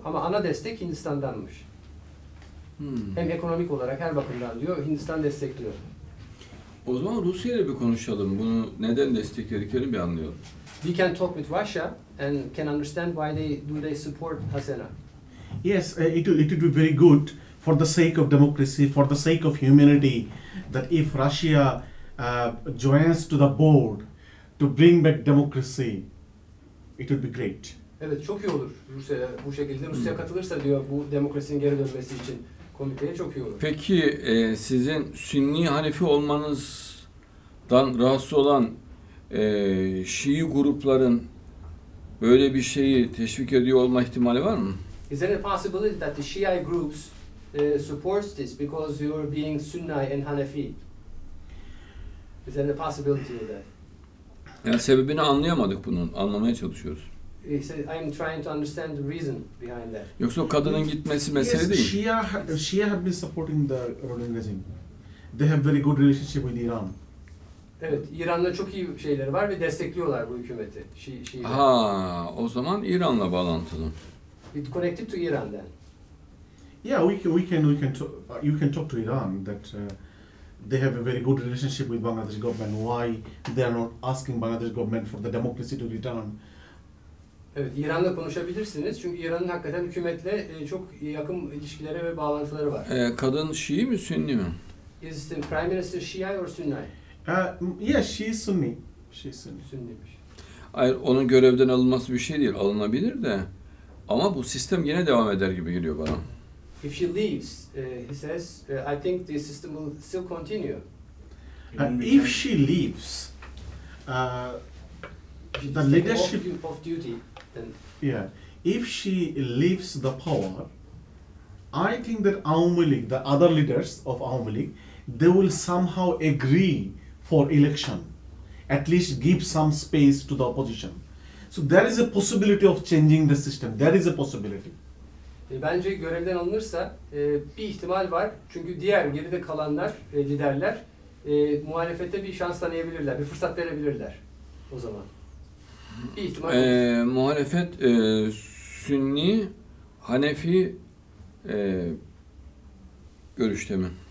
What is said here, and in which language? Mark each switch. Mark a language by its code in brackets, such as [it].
[tr] Ama ana destek Hindistan'danmış. Hem ekonomik olarak her bakımdan diyor Hindistan destekliyor. O zaman Rusya ile bir konuşalım. Bunu neden desteklediklerini bir anlayalım. [en] We can talk with Russia and can understand why they do they support Hasena. Yes, it would be very good for the sake of democracy, for the sake of humanity, that if Russia joins to the board to bring back democracy, it would be great. [tr] Evet, çok iyi olur Rusya bu şekilde. Rusya katılırsa diyor bu demokrasinin geri dönmesi için komiteye çok iyi olur. Peki sizin Sünni Hanefi olmanızdan rahatsız olan Şii grupların böyle bir şeyi teşvik ediyor olma ihtimali var mı? [en] Is there a possibility that the Shia groups supports this because you are being Sunni and Hanafi? Is there a possibility of that? [tr] Yani sebebini anlayamadık bunun. Anlamaya çalışıyoruz. [en] I'm trying to understand the reason behind that. [tr] Yoksa kadının gitmesi mesele [en] yes, [tr] değil. [en] Shia have been supporting the ruling regime. They have very good relationship with Iran. [tr] Evet, İran'la çok iyi şeyleri var ve destekliyorlar bu hükümeti. Şii. Ha, o zaman İran'la bağlantılı. [en] It connected to Iran then. Yeah, we can talk to Iran that they have a very good relationship with Bangladesh government. Why they are not asking Bangladesh government for the democracy to return? [tr] Evet, İran'la konuşabilirsiniz çünkü İran'ın hakikaten hükümetle çok yakın ilişkileri ve bağlantıları var. Kadın Şii mi, Sünni mi? [en] Is the Prime Minister Shia or Sunni? Yes, she is Sunni. She is Sunni. [tr] Sünniymiş. Hayır, onun görevden alınması bir şey değil, alınabilir de. Ama bu sistem yine devam eder gibi geliyor bana. [en] If she leaves, he says, I think the system will still continue. If she leaves, the leadership of duty, then. Yeah, if she leaves the power, I think that Awami League, the other leaders of Awami League, they will somehow agree for election, at least give some space to the opposition. So there is a possibility of changing the system. There is a possibility. [tr] Bence görevden alınırsa bir ihtimal var. Çünkü diğer geride kalanlar, liderler muhalefete bir şans tanıyabilirler, bir fırsat verebilirler o zaman. Bir ihtimal Muhalefet Sünni, Hanefi görüşte mi?